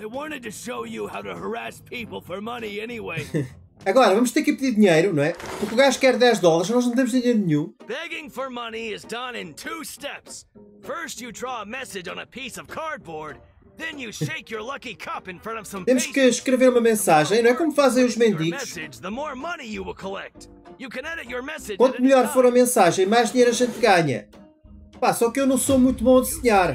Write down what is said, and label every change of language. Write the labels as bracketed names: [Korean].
[English] I wanted to show you how to harass people for money anyway. [Portuguese] Agora, vamos ter que pedir dinheiro, não é? Porque o gajo quer 10 dólares, nós não temos dinheiro nenhum. [English] Begging for money is done in two steps. First you draw a message on a piece of cardboard, then you shake your lucky cup in front of some people. [Portuguese] Temos que escrever uma mensagem, não é como fazem os mendigos. [English] Message, the more money you will collect. You can edit your message. [Portuguese] Quanto melhor for a mensagem, mais dinheiro a gente ganha. Pá, só que eu não sou muito bom a desenhar.